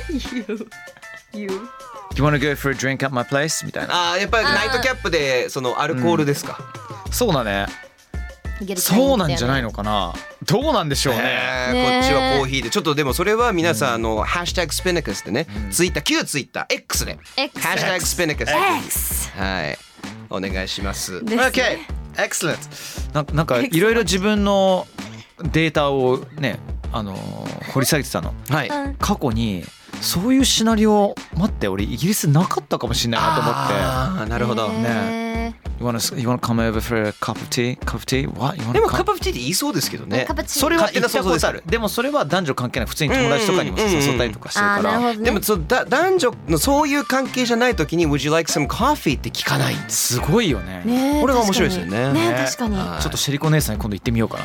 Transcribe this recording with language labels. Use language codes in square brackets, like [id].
[en] Do you wanna go for a drink at my place? [ja] みたいな。あ、やっぱりナイトキャップでそのアルコールですか。うん、そうだね。そうなんじゃないのかな。どうなんでしょうね。こっちはコーヒーで。ちょっとでもそれは皆さん、あの、ハッシュタグスピネクスってね、ツイッター、旧ツイッター、X で。 X。ハッシュタグスピネクス。 X。はい。お願いします。ですね。 [en] Okay。 Excellent。 [ja] なんかいろいろ自分のデータをね、掘り下げてたの。はい。過去に。そういうシナリオ、待って、俺イギリスなかったかもしれないなと思って。あ、なるほど、ね。 [en] You wanna come over for a cup of tea? Cup of tea? What? You wanna [ja] でも [en] cup of tea [ja] って言いそうですけどね。カプチーそれは言ったことある。でもそれは男女関係ない。普通に友達とかにも誘ったりとかしてるから。あ、なるほどね、でもそだ男女のそういう関係じゃないときに [en] Would you like some coffee? [ja] って聞かない。すごいよね。ねえ、これが面白いですよね。ね、確かに。ね、ちょっとシェリコ姉さんに今度行ってみようかな。